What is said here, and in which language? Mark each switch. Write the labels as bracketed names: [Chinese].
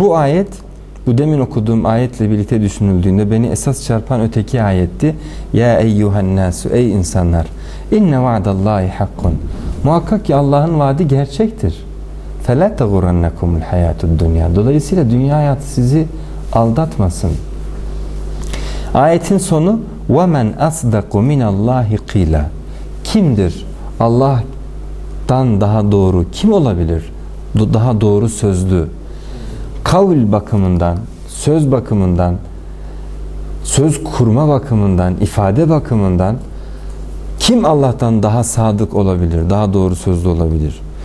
[Turkish] Bu ayet, bu demin okuduğum ayetle birlikte düşünüldüğünde beni esas çarpan öteki ayetti. [Arabic] يَا اَيُّهَا النَّاسُ. [Turkish] Ey insanlar! [Arabic] اِنَّ وَعَدَ اللّٰهِ حَقٌ. [Turkish] Muhakkak ki Allah'ın vaadi gerçektir. [Arabic] فَلَا تَغُرَنَّكُمُ الْحَيَاتُ الدُّنْيَا. [Turkish] Dolayısıyla dünya hayatı sizi aldatmasın. Ayetin sonu [Arabic] وَمَنْ أَصْدَقُ مِنَ اللّٰهِ قِيلَ. [Turkish] Kimdir Allah'tan daha doğru? Kim olabilir daha doğru sözlü? Kavl bakımından, söz bakımından, söz kurma bakımından, ifade bakımından kim Allah'tan daha sadık olabilir, daha doğru sözlü olabilir?